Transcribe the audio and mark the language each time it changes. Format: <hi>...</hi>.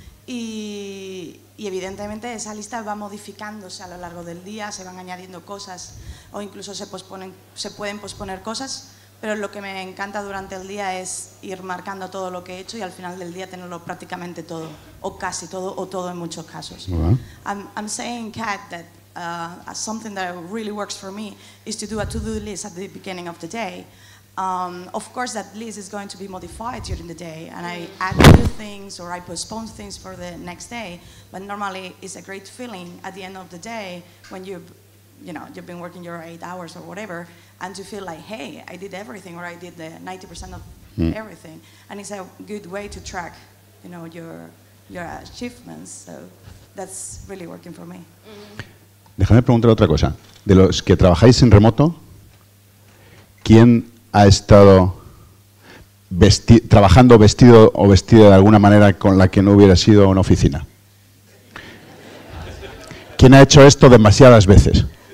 <es>Y evidentemente esa lista va modificándose a lo largo del día, se van añadiendo cosas o incluso se pueden posponer cosas, pero lo que me encanta durante el día es ir marcando todo lo que he hecho y al final del día tenerlo prácticamente todo, o casi todo, o todo en muchos casos.</es> <en>I'm saying, Kat, that something that really works for me is to do a to-do list at the beginning of the day. Of course, that list is going to be modified during the day, and I add new things or I postpone things for the next day. But normally, it's a great feeling at the end of the day when you've been working your 8 hours or whatever, and to feel like, hey, I did everything, or I did the 90% of everything, and it's a good way to track, you know, your achievements. So that's really working for me.</en> <es>Déjame preguntar otra cosa. De los que trabajáis en remoto, ¿quién ha estado trabajando vestido o vestida de alguna manera con la que no hubiera sido una oficina? ¿Quién ha hecho esto demasiadas veces?</es>